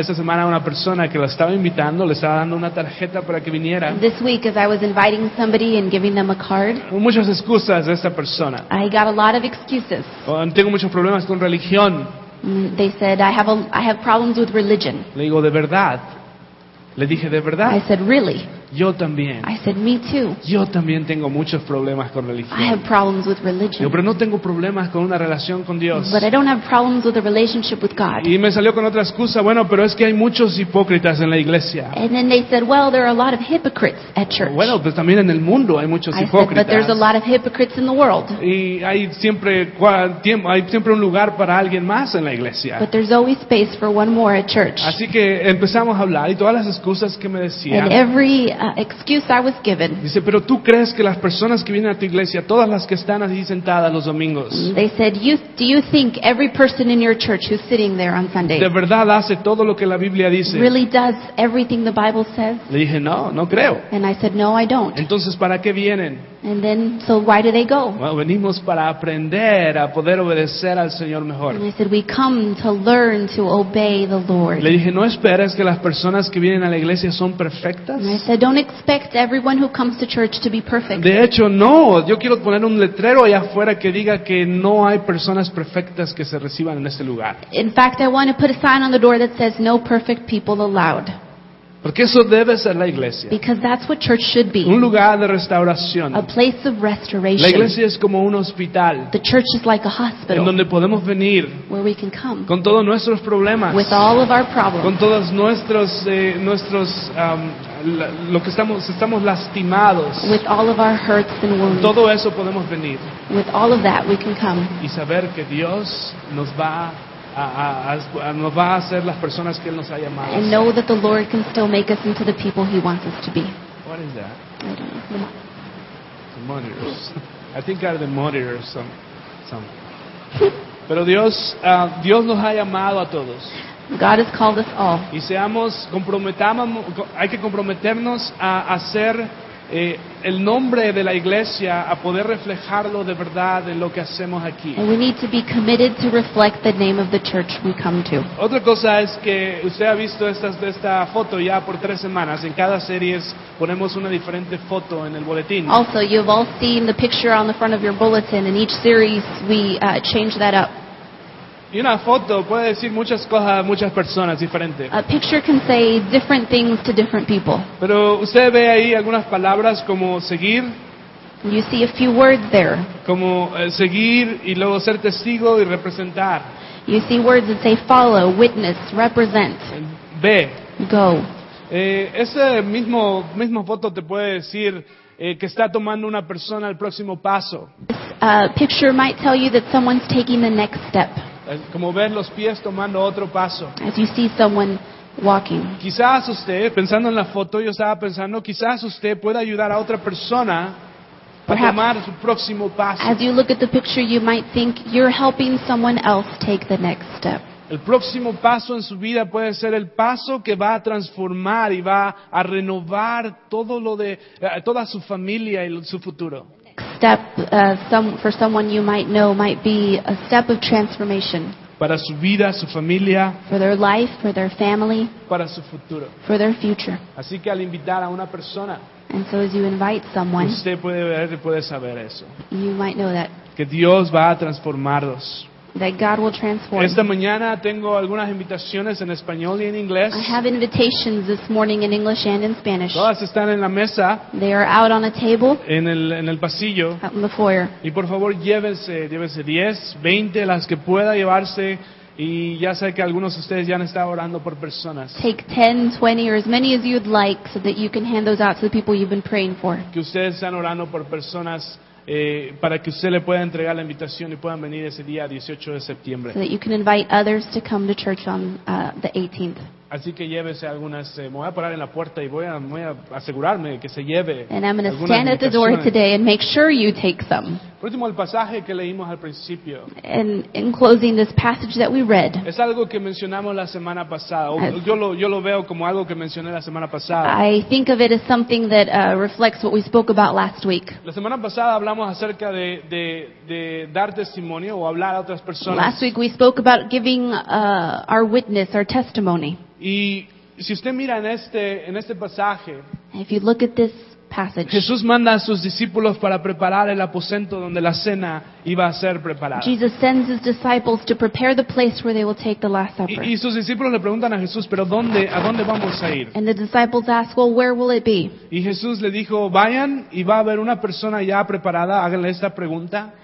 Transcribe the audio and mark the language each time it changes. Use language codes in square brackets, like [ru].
[es] Esta semana una persona que la estaba invitando le estaba dando una tarjeta para que viniera. [en] This week as I was inviting somebody and giving them a card, [es] muchas excusas de esta persona. [en] I got a lot of excuses. [es] Tengo muchos problemas con religión. [en] They said, I have problems with religion. [es] Le digo, de verdad. Le dije, ¿de verdad? [en] I said, really? [es] Yo también. [en] I said, me too. [es] Yo también tengo muchos problemas con religión. [en] I have problems with religion. [es] Pero no tengo problemas con una relación con Dios. [en] But I don't have problems with a relationship with God. [es] Y me salió con otra excusa. Bueno, pero es que hay muchos hipócritas en la iglesia. [en] And then they said, well, there are a lot of hypocrites at church. [es] Bueno, pero también en el mundo hay muchos [en] I [es] hipócritas. [en] Said, but there's a lot of hypocrites in the world. [es] Y hay siempre un lugar para alguien más en la iglesia. [en] But there's always space for one more at church. [es] Así que empezamos a hablar y todas las excusas que me decían. [en] Excuse I was given. [es] Dice, pero tú crees que las personas que vienen a tu iglesia, todas las que están allí sentadas los domingos. [en] They said, do you think every person in your church who's sitting there on Sunday? [es] De verdad hace todo lo que la Biblia dice. [en] Really does everything the Bible says? [es] Le dije, no creo. [en] And I said, no, I don't. [es] Entonces, ¿para qué vienen? [en] And then, so why do they go? [es] Bueno, venimos para aprender a poder obedecer al Señor mejor. [en] And I said, we come to learn to obey the Lord. [es] Le dije, ¿no esperas que las personas que vienen a la iglesia son perfectas? [en] And I said, don't expect everyone who comes to church to be perfect. [es] De hecho, no. Yo quiero poner un letrero allá afuera que diga que no hay personas perfectas que se reciban en este lugar. [en] In fact, I want to put a sign on the door that says, no perfect people allowed. [es] Porque eso debe ser la iglesia. [en] Because that's what church should be. [es] Un lugar de restauración. [en] A place of restoration. [es] La iglesia es como un hospital. [en] The church is like a hospital. [es] En donde podemos venir. [en] Where we can come. [es] Con todos nuestros problemas. [en] With all of our problems. [es] Con todos nuestros lo que estamos lastimados. [en] With all of our hurts and wounds. [es] Todo eso podemos venir. [en] With all of that we can come. [es] Y saber que Dios nos va nos va a hacer las personas que Él nos ha llamado. [en] And know that the Lord can still make us into the people He wants us to be. What is that? I don't know. The monitors. I think are the monitors. Some. [es] Pero Dios nos ha llamado a todos. [en] God has called us all. [es] Y seamos, hay que comprometernos a hacer el nombre de la iglesia a poder reflejarlo de verdad en lo que hacemos aquí. [en] And we need to be committed to reflect the name of the church we come to. [es] Otra cosa es que usted ha visto esta foto ya por 3 semanas. En cada serie ponemos una diferente foto en el boletín. [en] Also, you've all seen the picture on the front of your bulletin. In each series, we change that up. [es] Y una foto puede decir muchas cosas a muchas personas diferentes. [en] A picture can say different things to different people. [es] Pero usted ve ahí algunas palabras como seguir. [en] You see a few words there. [es] Como seguir y luego ser testigo y representar. [en] You see words that say follow, witness, represent. [es] Ve. [en] Go. [es] Ese mismo foto te puede decir que está tomando una persona el próximo paso. [en] This picture might tell you that someone's taking the next step. [es] Como ver los pies tomando otro paso. [en] As you see someone walking. [es] Quizás usted, pensando en la foto, yo estaba pensando, quizás usted pueda ayudar a otra persona [en] perhaps [es] a tomar su próximo paso. [en] As you look at the picture, you might think you're helping someone else take the next step. [es] El próximo paso en su vida puede ser el paso que va a transformar y va a renovar todo lo de toda su familia y su futuro. [en] Step for someone you might know might be a step of transformation. [es] Para su vida, su familia. [en] For their life, for their family. [es] Para su futuro. [en] For their future. [es] Así que al invitar a una persona. [en] And so as you invite someone. [es] Usted puede saber eso. [en] You might know that. [es] Que Dios va a transformarlos. [en] that God will transform. [es] Esta mañana tengo algunas invitaciones en español y en inglés. [en] I have invitations this morning in English and in Spanish. [es] Todas están en la mesa. [en] They are out on a table. [es] En el pasillo. [en] Out in the foyer. [es] Y por favor, llévense 10, 20, las que pueda llevarse. Y ya sé que algunos de ustedes ya han estado orando por personas. [en] Take 10, 20, or as many as you'd like so that you can hand those out to the people you've been praying for. [es] Que ustedes están orando por personas. Para que usted le pueda entregar la invitación y puedan venir ese día 18 de septiembre. [en] So that you can invite others to come to church on the 18th. [es] Así que llévese algunas. Me voy a parar en la puerta y voy a asegurarme que se lleve. [en] And I'm going to stand at the door today and make sure you take some. [es] Por último, el pasaje que leímos al principio. [en] And in closing, this passage that we read. [es] Es algo que mencionamos la semana pasada. Yo lo veo como algo que mencioné la semana pasada. [en] I think of it as something that reflects what we spoke about last week. [es] La semana pasada hablamos acerca de dar testimonio o hablar a otras personas. [en] Last week we spoke about giving our witness, our testimony. [es] Y si usted mira en este pasaje, [en] if you look at this passage, [es] Jesús manda a sus discípulos para preparar el aposento donde la cena iba a ser preparada. [en] Jesus sends his disciples to prepare the place where they will take the Last Supper. [es] Y sus discípulos le preguntan a Jesús, pero ¿a dónde vamos a ir? [en] And the disciples ask, well, where will it be? [es] Y Jesús le dijo, vayan y va a haber una persona ya preparada, háganle esta pregunta.